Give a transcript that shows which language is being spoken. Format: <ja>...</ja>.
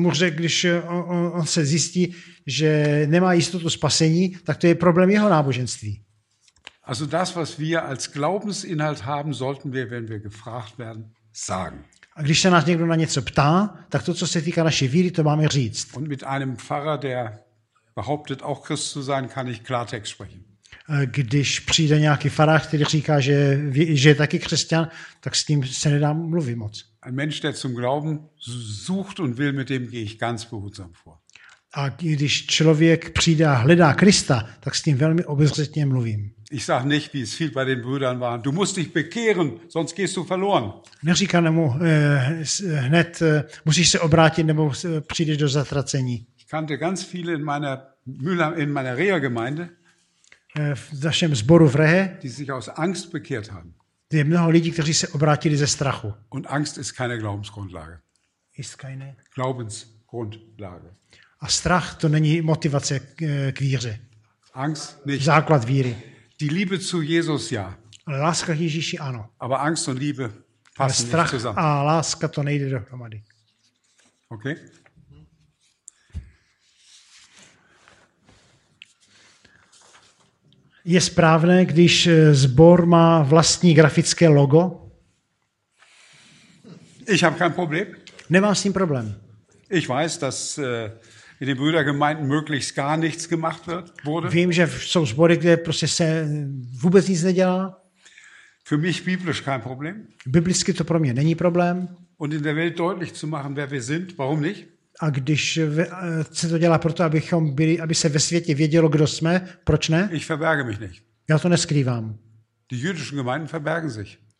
<cs>když, on se zjistí, že nemá jistotu spasení, tak to je problém jeho náboženství.</cs> <de>Also das, was wir als Glaubensinhalt haben, sollten wir, wenn wir gefragt werden, sagen.</de> <cs>A když se nás někdo na něco ptá, tak to, co se týká naší víry, to máme říct.</cs> <de>Und mit einem Pfarrer, der behauptet, auch Christ zu sein, kann ich Klartext sprechen.</de> <cs>Když přijde nějaký farář, který říká, že je taky křesťan, tak s tím se nedá mluvit moc.</cs> <de>Ein Mensch, der zum Glauben sucht und will, mit dem gehe ich ganz behutsam vor.</de> <cs>A když člověk přijde a hledá Krista, tak s tím velmi obezřetně mluvím.</cs> <de>Ich sag nicht, wie es viel bei den Brüdern war. Du musst dich bekehren, sonst gehst du verloren.</de> <cs>Neříkám mu hned, musíš se obrátit, nebo přijdeš do zatracení.</cs> <de>Ich kannte ganz viele in meiner Reha-Gemeinde.</de> <cs>V našem sboru v Rehe.</cs> <de>Die sich aus Angst bekehrt haben.</de> <cs>Je mnoho lidí, kteří se obrátili ze strachu.</cs> <de>Und Angst ist keine Glaubensgrundlage. Ist keine Glaubensgrundlage.</de> <cs>A strach to není motivace k víře.</cs> <de>Angst nicht.</de> <cs>Základ víry.</cs> <de>Die Liebe zu Jesus ja.</de> <cs>Láska k Ježíši ano.</cs> <de>Aber Angst und Liebe passen nicht zusammen.</de> <cs>Ale strach a láska to nejde dohromady. Okay. Je správné, když sbor má vlastní grafické logo?</cs> <de>Ich habe kein Problem.</de> <cs>Nemám s tím problém.</cs> <de>Ich weiß, dass in den Brüdergemeinden möglichst gar nichts gemacht wurde.</de> <cs>Vím, že jsou sbory, kde prostě se vůbec nic nedělá.</cs> <de>Für mich biblisch kein Problem.</de> <cs>Biblicky to pro mě není problém.</cs> <de>Und in der Welt deutlich zu machen, wer wir sind, warum nicht?</de> <cs>A když se to dělá proto, abychom byli, aby se ve světě vědělo, kdo jsme, proč ne?</cs> <de>Ich verberge mich nicht.</de> <cs>Já to neskrývám.</cs> <de>Die jüdischen Gemeinden verbergen sich.</de>